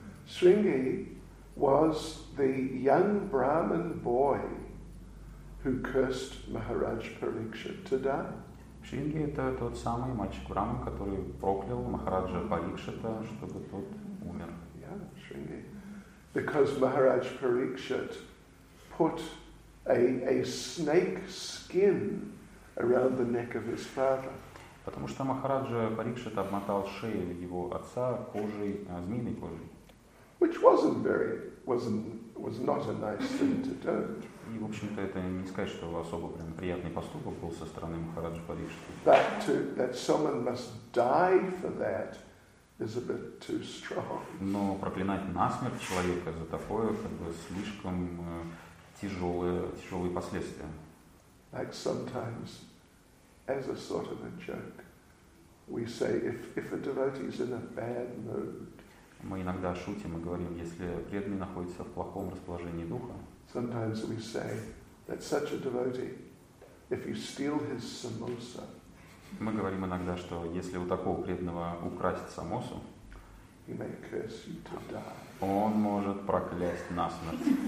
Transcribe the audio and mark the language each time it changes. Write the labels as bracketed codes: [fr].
[en] Сринги was the young Brahmin boy who cursed Maharaj Parikshit to die. [ru] Шринги — это тот самый мальчик Брама, который проклял Махараджа Парикшита, чтобы тот умер. [en] Yeah, Шринги. Because Maharaj Parikshit put a snake skin around the neck of his father. [ru] Потому что Махараджа Парикшит обмотал шею его отца кожей, змеиной кожей. [en] Which was not a nice thing to do. [ru] И, в общем-то, это не сказать, что особо прям приятный поступок был со стороны Махараджи Парикшита. [en] But to, that someone must die for that is a bit too strong. [ru] Но проклинать насмерть человека за такое, как бы, слишком тяжелые последствия. [en] Like sometimes, as a sort of a joke, we say, if a devotee is in a bad mood, [ru] мы иногда шутим и говорим, если преданный находится в плохом расположении духа. [en] Sometimes we say that such a devotee, if you steal his samosa. [ru] Мы говорим иногда, что если у такого преданного украсть самосу, [en] he may curse you to die. [ru] Он может проклясть насмерть.